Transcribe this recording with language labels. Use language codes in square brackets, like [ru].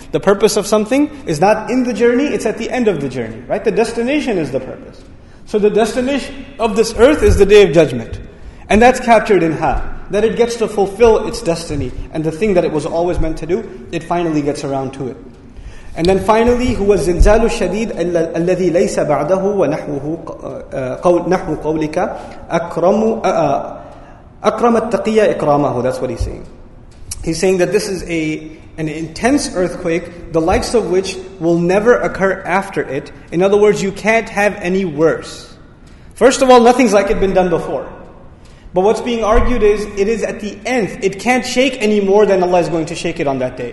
[en] The purpose of something is not in the journey, it's at the end of the journey, right? The destination is the purpose. So the destination of this earth is the Day of Judgment. And that's captured in ha. That it gets to fulfill its destiny, and the thing that it was always meant to do, it finally gets around to it. And then finally, [ar] هو الزلزال الشديد الذي ليس بعده ونحوه قول نحو قولك أكرم أكرم التقية إكرامه. [en] That's what he's saying. He's saying that this is an intense earthquake, the likes of which will never occur after it. In other words, you can't have any worse. First of all, nothing's like it been done before. But what's being argued is, it is at the end. It can't shake any more than Allah is going to shake it on that day.